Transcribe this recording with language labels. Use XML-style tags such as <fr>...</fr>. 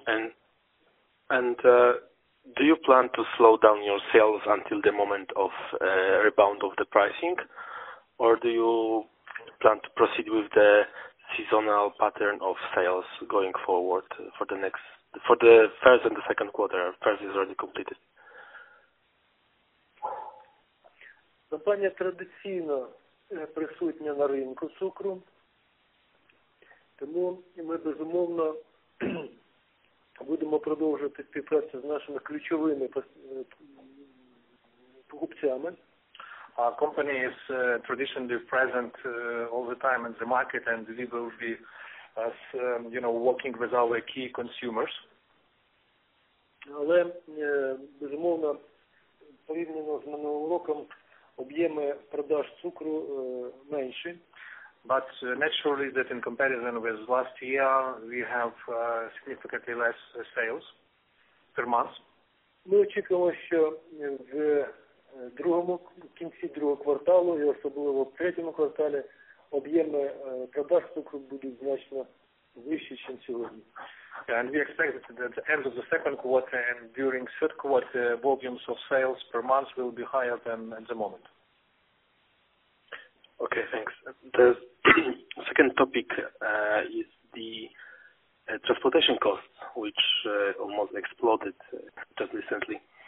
<en>And do you plan to slow down your sales until the moment of rebound of the pricing, or do you plan to proceed with the seasonal pattern of sales going forward for the first and the second quarter? First is already completed.</en> <uk>Компанія традиційно присутня на ринку цукру, тому ми безумовно будемо продовжувати співпрацю з нашими ключовими покупцями.</uk> <en>Our company is traditionally present all the time in the market, and we will be working with our key consumers.</en> <uk>Але безумовно, порівняно з минулим роком, об'єми продаж цукру менші.</uk> <en>But naturally that in comparison with last year, we have significantly less sales per month.</en> <uk>Ми очікуємо, що в кінці другого кварталу і особливо в третьому кварталі об'єми продаж цукру будуть значно вищі, ніж сьогодні.</uk> <en>And we expect that at the end of the second quarter and during third quarter, volumes of sales per month will be higher than at the moment. Okay, thanks. The second topic is the transportation costs, which almost exploded just recently.</en>